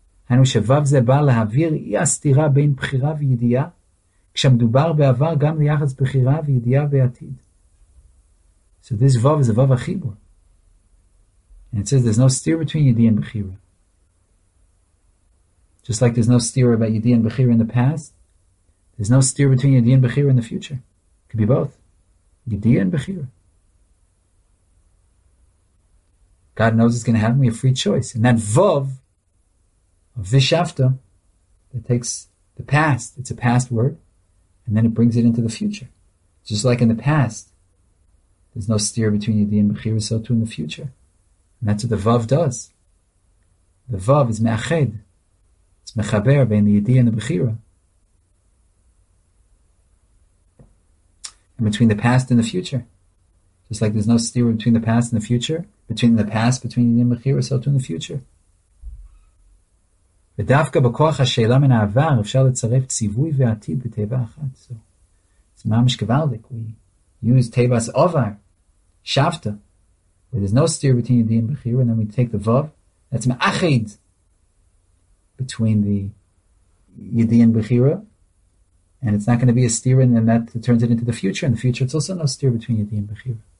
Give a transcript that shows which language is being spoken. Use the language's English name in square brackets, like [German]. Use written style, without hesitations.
[Hebrew] היינו שוו זה בא להעביר אי הסתירה בין בחירה וידיעה, כשמדובר בעבר גם ליחס בחירה וידיעה בעתיד. [English] So this vav is a vav החיבור. And it says there's no steer between ידיע and בחירה. Just like there's no steer about ידיע and בחירה in the past, there's no steer between ידיע and בחירה in the future. It could be both. ידיע and בחירה. God knows it's going to happen. We have free choice. And that vav, Vishavta, that takes the past, it's a past word, and then it brings it into the future. Just like in the past, there's no steer between Yedi and Bechira, so too in the future. And that's what the Vav does. The Vav is Me'ached. It's Mechaber between the Yedi and the Bechira. And between the past and the future. Just like there's no steer between the past and the future, between the past, between Yedi and Bechira, so too in the future. [Hebrew] ודווקא בכוח השאלה מן העבר אפשר לצרף ציווי ועתיד בטבע אחת. [English] So, it's ממש גבלדיק. We use tevas ovar, shavta. There's no steer between Yedi and Bechira, and then we take the vav. That's ma'achid between the Yedi and Bechira. And it's not going to be a steer, and then that turns it into the future. In the future, it's also no steer between Yedi and Bechira.